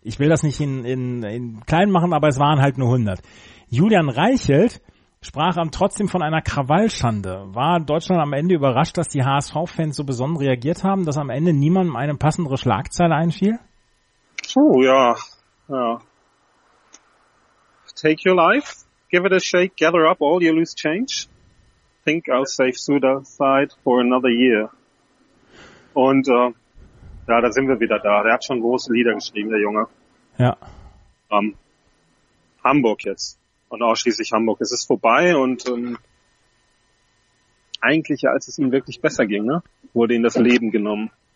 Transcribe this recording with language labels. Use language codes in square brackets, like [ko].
[de] Ich will das nicht in klein machen, aber es waren halt nur 100. Julian Reichelt sprach trotzdem von einer Krawallschande. War Deutschland am Ende überrascht, dass die HSV-Fans so besonnen reagiert haben, dass am Ende niemandem eine passendere Schlagzeile einfiel? Oh ja, ja. [en] Take your life, give it a shake, gather up all your loose change. Think I'll save Suda side for another year. [de] Und ja, da sind wir wieder da. Der hat schon große Lieder geschrieben, der Junge. Ja. Hamburg jetzt. Und ausschließlich Hamburg. Es ist vorbei und eigentlich, als es ihnen wirklich besser ging, ne, wurde ihnen das Leben genommen.